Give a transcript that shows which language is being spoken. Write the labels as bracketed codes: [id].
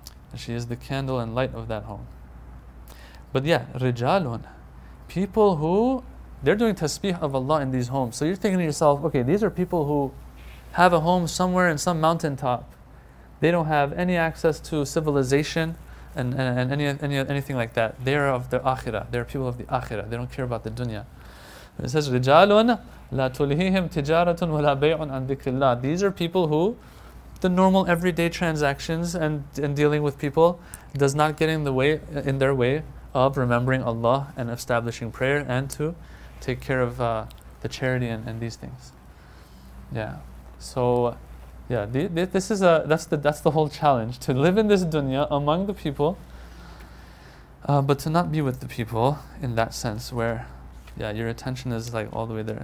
[en] And she is the candle and light of that home. But yeah, rijalun, people who, they're doing tasbih of Allah in these homes. So you're thinking to yourself, okay, these are people who have a home somewhere in some mountaintop. They don't have any access to civilization and anything like that. They are of the akhirah. They are people of the akhirah. They don't care about the dunya. [ar] But it says, رِجَالٌ لَا تُلْهِهِمْ تِجَارَةٌ وَلَا بَيْعٌ عَنْ ذِكْرِ اللَّهِ. [en] These are people who, the normal everyday transactions and dealing with people does not get in their way of remembering Allah and establishing prayer and to take care of the charity and these things. Yeah. So, yeah, that's the whole challenge, to live in this dunya among the people, but to not be with the people in that sense where, yeah, your attention is like all the way there.